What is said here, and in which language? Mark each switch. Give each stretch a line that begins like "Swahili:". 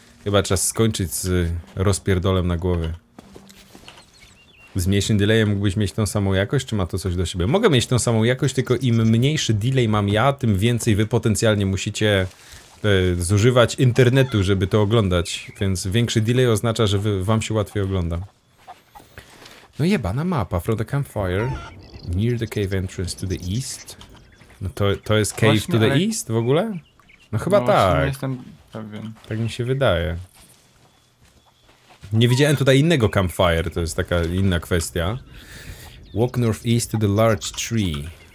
Polish: Chyba czas skończyć z rozpierdolem na głowie. Z mniejszym delayem mógłbyś mieć tą samą jakość, czy ma to coś do siebie? Mogę mieć tą samą jakość, tylko im mniejszy delay mam ja, tym więcej wy potencjalnie musicie zużywać internetu, żeby to oglądać. Więc większy delay oznacza, że wam się łatwiej ogląda. No jebana mapa,
English: from the campfire, near the cave entrance to the east.
Polish: No to jest Cave właśnie,
English: to the East
Polish: w ogóle? No chyba no tak. Właśnie, jestem pewien. Tak mi się wydaje. Nie widziałem tutaj innego campfire, to jest taka inna kwestia.
English: Walk northeast to the large tree.